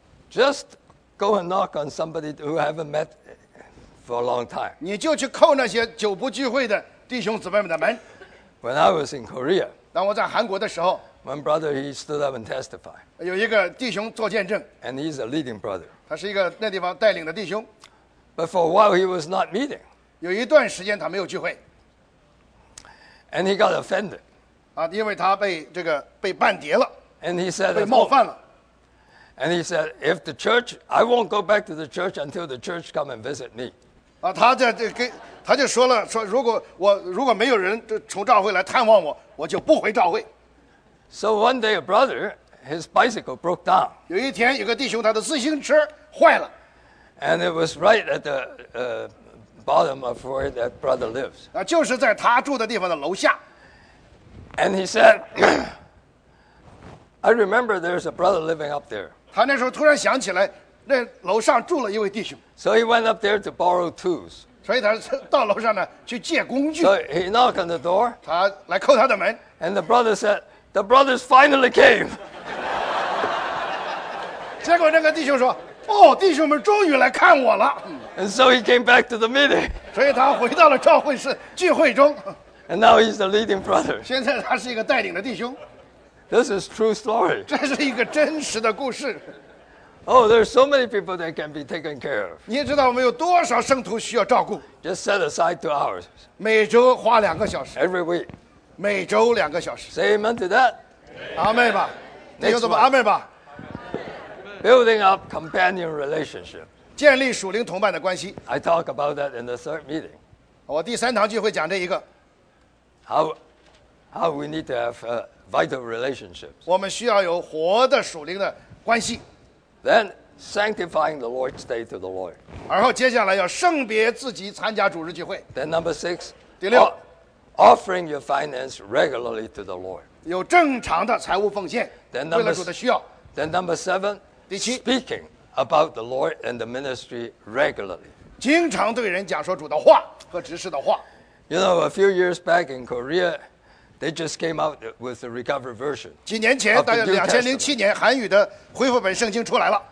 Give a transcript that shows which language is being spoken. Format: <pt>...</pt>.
<en>Just go and knock on somebody who haven't met for a long time.</en> <zh>你就去叩那些久不聚会的弟兄姊妹们的门。</zh> <en>When I was in Korea,</en> <zh>当我在韩国的时候</zh> <en>，One brother he stood up and testified.</en> <zh>有一个弟兄做见证。</zh> <en>And he's a leading brother.</en> <zh>他是一个那地方带领的弟兄。</zh> <en>But for a while he was not meeting.</en> <zh>有一段时间他没有聚会。</zh> <en>And he got offended.</en> <zh>啊，因为他被这个被绊跌了。</zh> <en>And he said</en> <zh>被冒犯了。</zh> <en>And he said, "If the church, I won't go back to the church until the church come and visit me."</en> <zh>啊，他在这跟他就说了说，如果我如果没有人从召会来探望我，我就不回召会。</zh> <en>So one day, a brother, his bicycle broke down.</en> <zh>有一天，有个弟兄他的自行车坏了。</zh> <en>And it was right at the bottom of where that brother lives.</en> <zh>啊，就是在他住的地方的楼下。</zh> <en>And he said. I remember there's a brother living up there.</en> <zh>他那时候突然想起来，那楼上住了一位弟兄。</zh> <en>So he went up there to borrow tools.</en> <zh>所以他到楼上呢去借工具。</zh> <en>So he knocked on the door.</en> <zh>他来叩他的门。</zh> <en>And the brother said, "The brothers finally came."</en> <zh>结果那个弟兄说，哦，弟兄们终于来看我了。</zh> <en>And so he came back to the meeting.</en> <zh>所以他回到了召会室聚会中。</zh> <en>And now he's the leading brother.</en> <zh>现在他是一个带领的弟兄。</zh> <en>This is true story.</en> <zh>这是一个真实的故事。</zh> <en>Oh, there's so many people that can be taken care of.</en> <zh>你知道我们有多少圣徒需要照顾</zh> <en>？Just set aside 2 hours.</en> <zh>每周花两个小时。</zh> <en>Every week.</en> <zh>每周两个小时。</zh> <en>Say amen to that.</en> <zh>阿门吧。弟兄姊妹，阿门吧。</zh> <en>Building up companion relationship.</en> <zh>建立属灵同伴的关系。</zh> <en>I talk about that in the third meeting.</en> <zh>我第三堂聚会讲这一个。</zh> <en>How we need to have vital relationships.</en> <zh>我们需要有活的属灵的关系。</zh> <en>Then sanctifying the Lord's Day to the Lord.</en> <zh>然后接下来要圣别自己参加主日聚会。</zh> <en>Then number six.</en> <zh>第六</zh> <en>offering your finance regularly to the Lord.</en> <zh>有正常的财务奉献。</zh> <en>Then number</en> <zh>为了主的需要。</zh> <en>Then number seven.</en> <zh>第七</zh> <en>speaking about the Lord and the ministry regularly.</en> <zh>经常对人讲说主的话和执事的话。</zh> <en>You know, a few years back in Korea. They just came out with the recovered version.</en> <zh>几年前，大概2007年，韩语的恢复本圣经出来了。</zh>